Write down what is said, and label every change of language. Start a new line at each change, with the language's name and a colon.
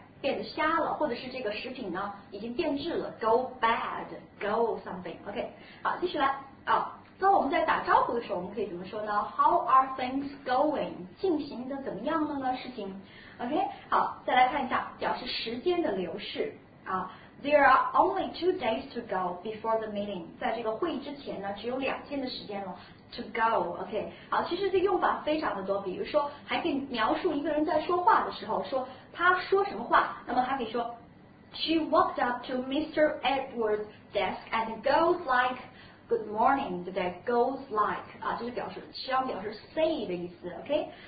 Chinese: 变得瞎了，或者是这个食品呢已经变质了 ，go bad, go something, OK, 好，继续来啊。那我们在打招呼的时候，我们可以怎么说呢 ？
English: How are things going?
Chinese: 进行的怎么样了呢？事情 ，OK, 好，再来看一下，表示时间的流逝啊。
English: There are only 2 days to go before the meeting.
Chinese: 在这个会议之前呢，只有2天的时间了。To go, OK, 好，其实这用法非常的多，比如说还可以描述一个人在说话的时候说。他说什么话？那么他可以说 ，
English: She walked up to Mr. Edwards' desk and goes like, "Good morning,"
Chinese: 对不对 ？Goes like 啊，就是表示，实际上表示 say 的意思 ，OK？